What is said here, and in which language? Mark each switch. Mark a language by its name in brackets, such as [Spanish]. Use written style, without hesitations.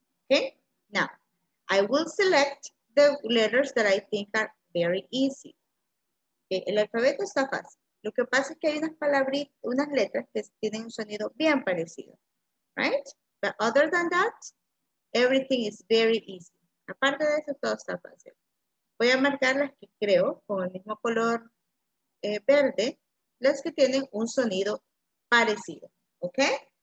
[English] Okay, now I will select the letters that I think are very easy. [Spanish] Okay, el alfabeto está fácil. Lo que pasa es que hay unas palabritas, unas letras que tienen un sonido bien parecido, right? [English] But other than that, everything is very easy. [Spanish] Aparte de eso, todo está fácil. Voy a marcar las que creo con el mismo color verde, las que tienen un sonido parecido, okay?